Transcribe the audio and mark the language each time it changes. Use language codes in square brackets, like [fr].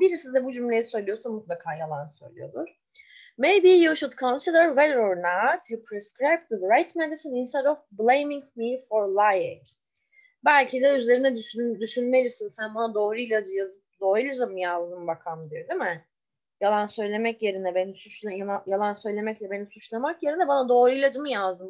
[tr] Biri size bu cümleyi söylüyorsa mutlaka yalan söylüyordur. [en] Maybe you should consider whether or not you prescribed the right medicine instead of blaming me for lying. [tr] Belki de üzerine düşünmelisin. Sen bana doğru ilacı mı yazdın bakalım diyor, değil mi? Yalan söylemek yerine beni suçla yalan söylemekle beni suçlamak yerine bana doğru ilacı mı yazdın?